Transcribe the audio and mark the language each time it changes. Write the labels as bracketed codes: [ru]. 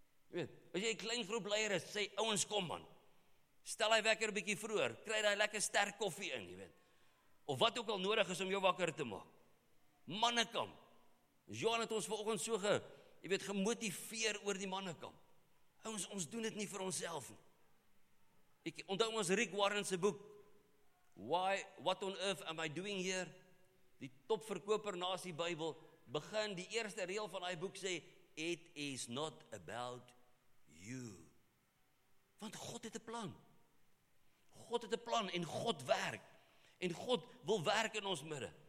[af] Jy weet, as jy 'n klein groep leier is, sê ouens kom man. Stel hy wekker 'n bietjie vroeër, kry daai lekker sterk koffie in, jy weet. Of wat ook al nodig is om jou wakker te maak. Mannekamp. Johan het ons vanoggend so gemotiveer oor die mannekamp. Ouens, ons doen dit nie vir onsself nie. Ek onthou ons Rick Warren se boek. [en] Why, what on earth am I doing here? [af] Die topverkoper naas die Bybel, begin die eerste reël van daai boek sê it is not about you. Want God het 'n plan. God het 'n plan en God werk. En God wil werk in ons midde.